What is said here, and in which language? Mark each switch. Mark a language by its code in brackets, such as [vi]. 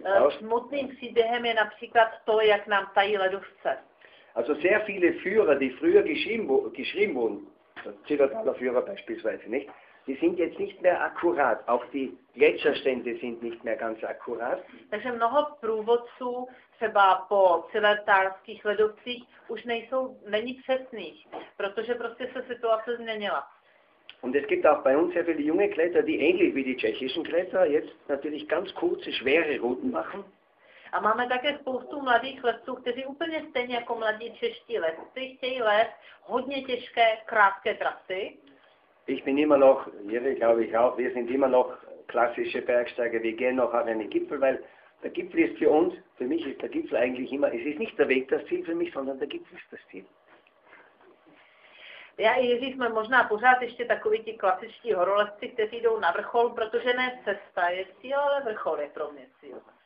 [cs] Smutným příběhem je například to, jak nám tají ledovce. [de] Also sehr viele Führer, die früher geschrieben wurden, Zillertaler Führer beispielsweise, nicht? Die sind jetzt nicht mehr akkurat. Auch die Gletscherstände sind nicht mehr ganz akkurat. [cs] Takže mnoho průvodců, třeba po zillertalských ledovcích, už není přesných, protože prostě se situace změnila. [de] Und es gibt auch bei uns sehr viele junge Kletter, die ähnlich wie die tschechischen Kletter jetzt natürlich ganz kurze, schwere Routen machen. [cs] A máme také spoustu mladých lezců, kteří úplně stejně jako mladí čeští lezci chtějí lézt hodně těžké, krátké trasy. [de] Ich bin immer noch, Jiri, glaube ich auch, wir sind immer noch klassische Bergsteiger, wir gehen noch auf einen Gipfel, weil der Gipfel ist für uns, für mich ist der Gipfel eigentlich immer, es ist nicht der Weg das Ziel für mich, sondern der Gipfel ist das Ziel. [cs] Já i Jiří jsme možná pořád ještě takový ti klasičtí horolezci, kteří jdou na vrchol, protože ne cesta je cíl, ale vrchol je pro mě cíl.